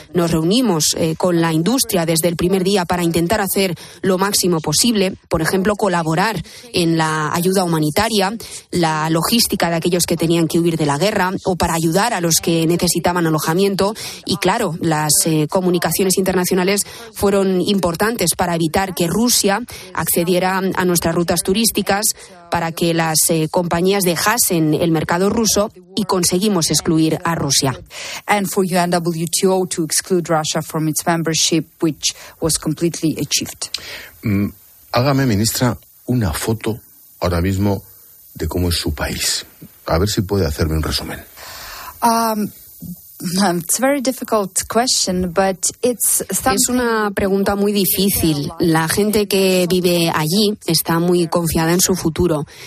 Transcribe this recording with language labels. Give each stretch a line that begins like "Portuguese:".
Spanish: Nos reunimos con la industria desde el primer día para intentar hacer lo máximo posible, por ejemplo, colaborar en la ayuda humanitaria, la logística de aquellos que tenían que huir de la guerra, o para ayudar a los que necesitaban alojamiento. Y claro, las comunicaciones internacionales fueron importantes para evitar que Rusia accediera a nuestras rutas turísticas, para que las compañías dejasen el mercado ruso, y conseguimos excluir a Rusia.
English: And for UNWTO to exclude Russia from its membership, which was completely achieved.
Spanish: Hágame, ministra, una foto ahora mismo de cómo es su país. A ver si puede hacerme un resumen.
English: It's a very difficult question, but it's
Spanish: something. Es una pregunta muy difícil. La gente que vive allí está muy confiada en su futuro.